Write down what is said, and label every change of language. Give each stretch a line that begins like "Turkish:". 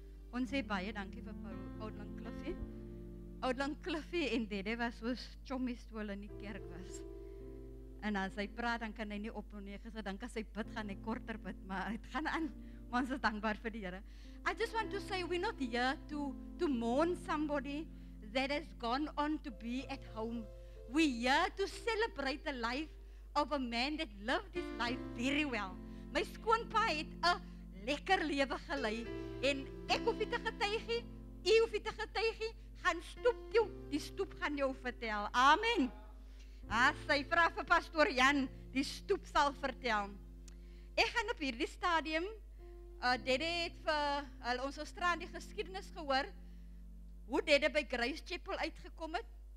Afrikaans: Ons sê baie dankie vir Oudland Cliffie. Oudland Cliffie en Dede was soos chommies toe hulle in die kerk was. En as hy praat, dan kan hy nie ophou nie. Gesê, dan as hy bid, gaan hy korter bid, maar het gaan aan. Maar ons is dankbaar vir die Here.
English: I just want to say, we're not here to mourn somebody that has gone on to be at home. We're here to celebrate the life of a man that lived his life very well.
Afrikaans: My skoonpa het 'n lekker lewe gelei. En ek hoef nie te getuig nie, u hoef nie te getuig nie, gaan stoep jou, die stoep gaan jou vertel. Amen. As hy vra vir pastoor Jan, die stoep sal vertel. Ek gaan op hierdie stadium, Dede het vir ons Australië die geskiedenis gehoor, hoe Dede by Grace Chapel uitgekom het.